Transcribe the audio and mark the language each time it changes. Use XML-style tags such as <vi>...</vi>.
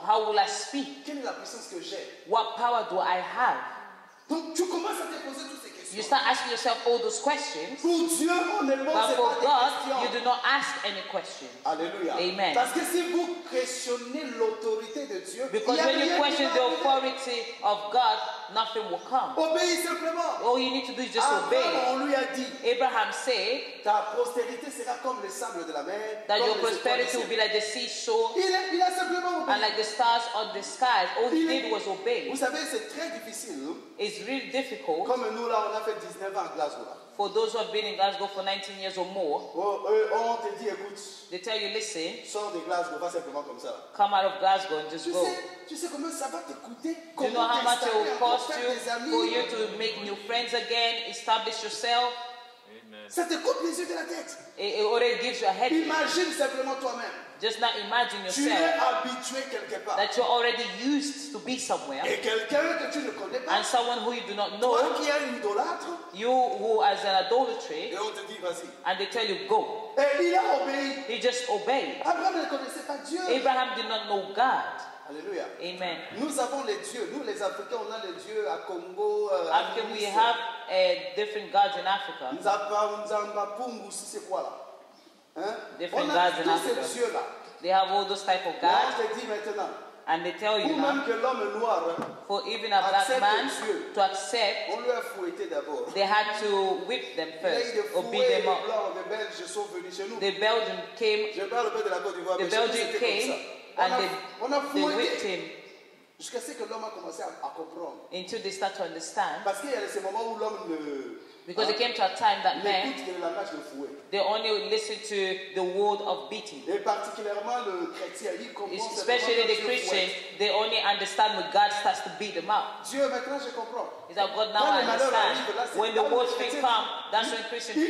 <en>How will I speak?</en> <fr>Quelle est la puissance que j'ai?</fr> <en>What power do I have?</en> <fr>Donc, tu commences à te poser toutes ces questions.</fr> <en>You start asking yourself all those questions.</en> <fr>Pour Dieu, on ne pose pas</fr> <en>But for God, you do not ask any questions. Alléluia. Amen.</en> <fr>Parce que si vous questionnez l'autorité de Dieu,</fr> <en>because when you question the authority of God, nothing will come.</en> <fr>Obéis simplement.</fr> <en>All you need to do is just obey.</en> <fr>Abraham, on lui a dit.</fr> <en>Abraham said,</en> <fr>ta prostérité sera comme le sable de la mer.</fr> <en>That your prosperity will be like the seashore.</en> <fr>Il a simplement</fr> <en>and like the stars on the skies, all he did was obey.</en> <fr>Vous savez, c'est très difficile.</fr> <en>It's really difficult.</en> <fr>Comme nous là, on a fait 19 ans à Glasgow.</fr> <en>For those who have been in Glasgow for 19 years or more,</en> <fr>on te dit, écoute,</fr> <en>they tell you, listen,</en> <fr>sors de Glasgow, pas simplement comme ça.</fr> <en>Come out of Glasgow and just</en> <fr>tu</fr> <en>go.</en> <fr>Sais comment ça va te coûter?</fr> <en>Do you know how much it will cost you for you to make new friends again, establish yourself?</en> <fr>Ça te coupe les yeux de la tête.</fr> <en>It already gives you a headache.</en> <fr>Imagine simplement toi-même.</fr> <en>Just not imagine yourself.</en> <fr>Tu es habitué quelque part.</fr> <en>That you're already used to be somewhere.</en> <fr>Et quelqu'un que tu ne connais pas.</fr> <en>And someone who you do not know.</en> <fr>Toi qui es un idolâtre.</fr> <en>You who as an idolatry.</en> <fr>Et on te dit vas-y.</fr> <en>And they tell you go.</en> <fr>Et il a obéi.</fr> <en>He just obeyed.</en> <fr>Abraham ne connaissait pas Dieu.</fr> <en>Abraham did not know God. Alléluia. Amen.</en> <fr>Nous avons les dieux. Nous les Africains, on a les dieux à Congo.</fr> <en>African, we have different gods in Africa.</en> <fr>Nous avons Mapungu, si c'est quoi là? Hein?</fr> <en>Different gods in Africa.</en> <fr>Dieux,</fr> <en>they have all those type of gods. And they tell you</en> <fr>now, que l'homme noir,</fr> <en>for even a black man</en> <fr>Dieu,</fr> <en>to accept,</en> <fr>on lui a fouetté d'abord.</fr> <en>They had to whip them first or beat them up.</en> <fr>Les Belges sont venus chez nous.</fr> <en>The Belgian came.</en> <fr>Je parle un peu de la Côte d'Ivoire.</fr> <en>The Belgian came. And</en> <fr>on a fouetté jusqu'à ce que l'homme a commencé à comprendre.</fr> <en>Until they start to understand.</en> <fr>Parce qu'il y a ce moment où l'homme ne.</fr> <en>Because it came to a time that men, they only listen to the word of beating.</en> <fr>Et particulièrement le chrétien, il commence</fr> <en>especially the Christian, they only understand when God starts to beat them up.</en> <fr>Dieu, maintenant, je comprends.</fr> <en>Is that God now</en> <fr>quand</fr> <en>I understand?</en> <fr>Là,</fr> <en>when the word speaks come, that's when Christians</en>